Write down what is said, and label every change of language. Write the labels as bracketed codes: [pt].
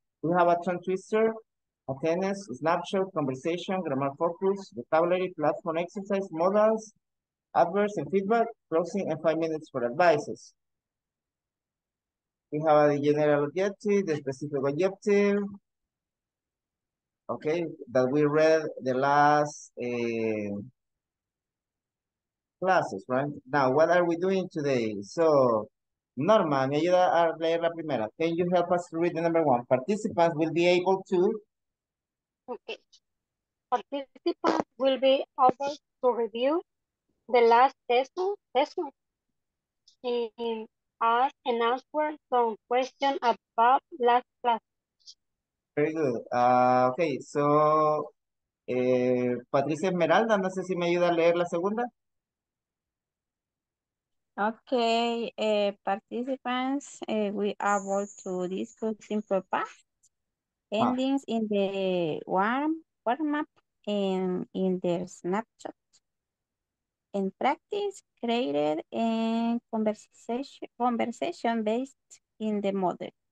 [en] We have a tongue twister, attendance, snapshot, conversation, grammar focus, vocabulary, platform exercise, models, adverbs and feedback, closing and 5 minutes for advices. We have the general objective, the specific objective, okay, that we read the last classes, right? Now, what are we doing today? [es] So, Norma, me ayuda a leer la primera. [en] Can you help us read the number one? Participants will be able to... Okay. Participants will be able to review the last session. Ask and answer some questions about last class. Very good. [es] Okay, so Patricia Esmeralda, no sé si me ayuda a leer la segunda. [en] Okay, participants, we are able to discuss simple past endings in the warm-up and in the snapshot. In practice, created a conversation based in the model.